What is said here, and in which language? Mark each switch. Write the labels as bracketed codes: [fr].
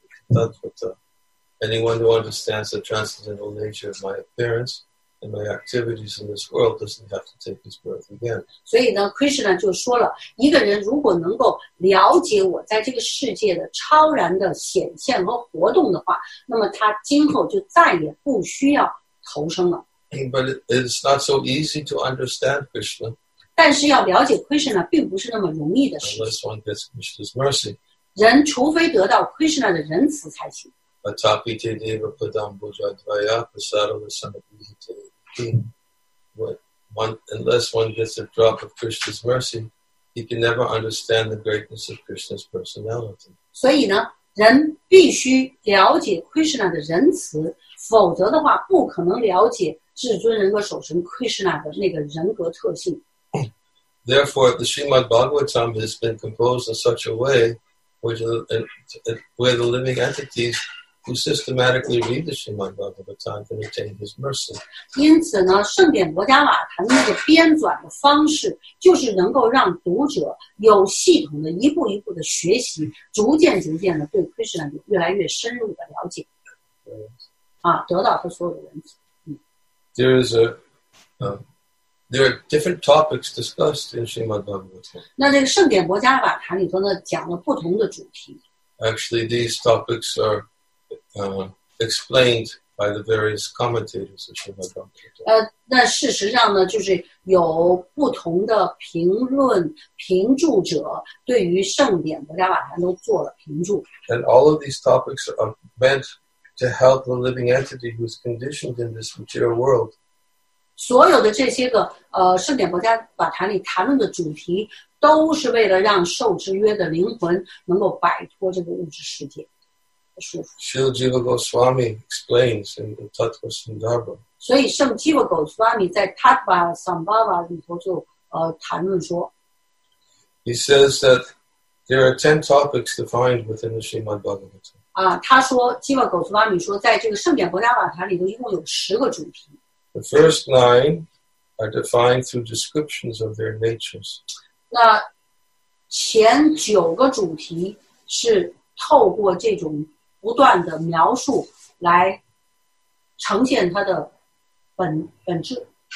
[en] That's what anyone who understands the transcendental nature of my appearance and my activities in this world doesn't have to take his birth again. [zh] 所以呢, Krishna 就说了，一个人如果能够了解我在这个世界的超然的显现和活动的话，那么他今后就再也不需要投生了。 [en] But it's not so easy to understand Krishna. [zh] 但是要了解 Krishna 并不是那么容易的事。 [en] Unless one gets Krishna's mercy. [zh] 人除非得到 Krishna 的仁慈才行。 [sa] Atapite deva padam bhujadvaya prasadam samabhihite. [en] Unless one gets a drop of Krishna's mercy, he can never understand the greatness of Krishna's personality. [zh] 所以呢，人必须了解 Krishna 的仁慈，否则的话，不可能了解至尊人格守神 Krishna 的那个人格特性。 [en] Therefore, the Srimad Bhagavatam has been composed in such a way. Where the living entities who systematically read the Srimad Bhagavatam can attain his mercy. [zh] 因此呢，圣典摩迦瓦坛那个编纂的方式，就是能够让读者有系统的、一步一步的学习，逐渐逐渐的对 Krishna 越来越深入的了解，啊，得到他所有的仁慈。 [en] There is a There are different topics discussed in Srimad Bhagavatam. [zh] 那这个圣典摩迦瓦坛里头呢，讲了不同的主题。 [en] Actually, these topics are explained by the various commentators of Srimad Bhagavatam. [zh] 但事实上呢，就是有不同的评论评注者对于圣典《摩迦瓦坛》都做了评注。 [en] And all of these topics are meant to help the living entity who's conditioned in this material world. [zh] 所有的这些个圣典《摩迦瓦坛》里谈论的主题。都是为了让受制约的灵魂能够摆脱这个物质世界的束缚。 [en] Śrīla Jīva Gosvāmī explains in the Tattva Sandarbha. [zh] 所以圣基瓦狗斯瓦米在 Tattva Sandarbha 里头就谈论说 [en] ，He says that there are 10 topics defined within the Śrīmad Bhāgavatam. [zh] 啊，他说基瓦狗斯瓦米说，在这个圣典《摩迦瓦坛》里头一共有十个主题。 [en] The first 9 are defined through descriptions of their natures. [zh] 那前九个主题是透过这种不断的描述来呈现它的本质。